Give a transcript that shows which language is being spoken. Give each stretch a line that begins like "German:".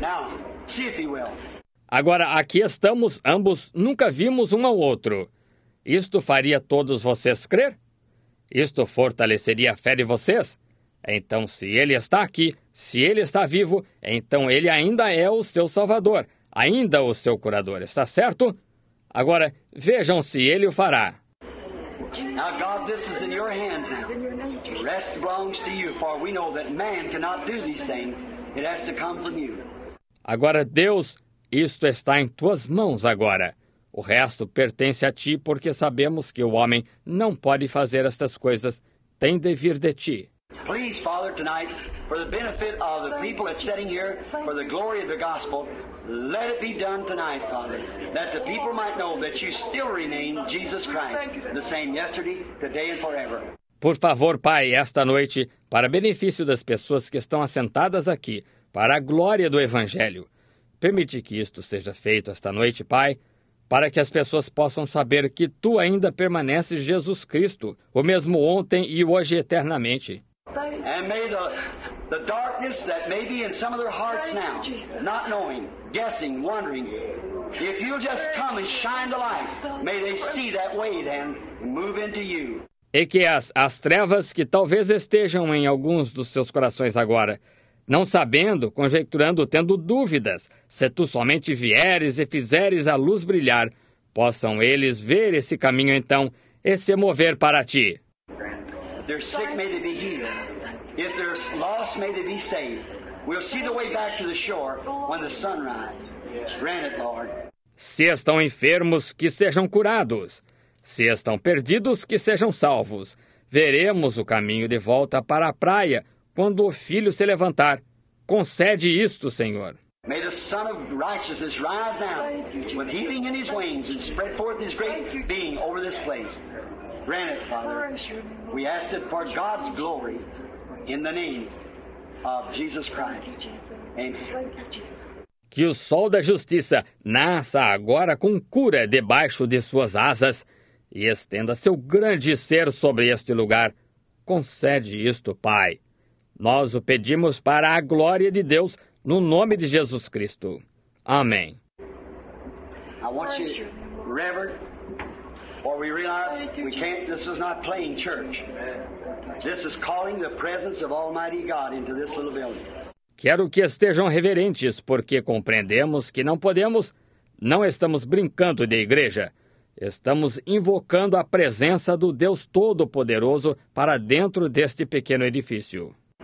English: Now, see if he will.
Portuguese: Agora, aqui estamos ambos, nunca vimos um ao outro. Isto faria todos vocês crer? Isto fortaleceria a fé de vocês? Então, se ele está aqui, se ele está vivo, então ele ainda é o seu salvador, ainda o seu curador, está certo? Agora, vejam se ele o fará.
English: Now, God, this is in your hands now. The rest belongs to you, for we know that man cannot do these things. It has to come from you.
Portuguese: Agora, Deus, isto está em tuas mãos agora. O resto pertence a ti, porque sabemos que o homem não pode fazer estas coisas. Tem de vir de ti.
English: Please, Father, tonight, for the benefit of the people that's sitting here, for the glory of the gospel, let it be done tonight, Father, that the people might know that you still remain Jesus Christ, the same yesterday, today and forever.
Portuguese: Por favor, Pai, esta noite, para benefício das pessoas que estão assentadas aqui, para a glória do Evangelho, permite que isto seja feito esta noite, Pai, para que as pessoas possam saber que tu ainda permaneces Jesus Cristo, o mesmo ontem e hoje eternamente.
English: And may the darkness that may be in some of their hearts now, not knowing, guessing, wondering, if you'll just come and shine the light, may they see that way then move into you.
Portuguese: E que as trevas que talvez estejam em alguns dos seus corações agora, não sabendo, conjecturando, tendo dúvidas, se tu somente vieres e fizeres a luz brilhar, possam eles ver esse caminho então e se mover para ti.
English: their sick may they be healed. If they're lost, may they be saved. We'll see the way back to the shore when the sun rises. Grant it, Lord.
Portuguese: Se estão enfermos, que sejam curados. Se estão perdidos, que sejam salvos. Veremos o caminho de volta para a praia quando o filho se levantar. Concede isto, Senhor.
English: May the Son of Righteousness rise now with healing in his wings and spread forth his great being over this place. Grant it, Father. We ask it for God's glory in the name of Jesus Christ. Amen.
Portuguese: Que o sol da justiça nasça agora com cura debaixo de suas asas e estenda seu grande ser sobre este lugar. Concede isto, Pai. Nós o pedimos para a glória de Deus, no nome de Jesus Cristo. Amém.
English: I want you, Reverend, for we realize we can't, this is not playing church. This is calling the presence of Almighty God into this little building.
Portuguese: Quero que estejam reverentes, porque compreendemos que não podemos, não estamos brincando de igreja. Estamos invocando a presença do Deus Todo-Poderoso para dentro deste pequeno edifício.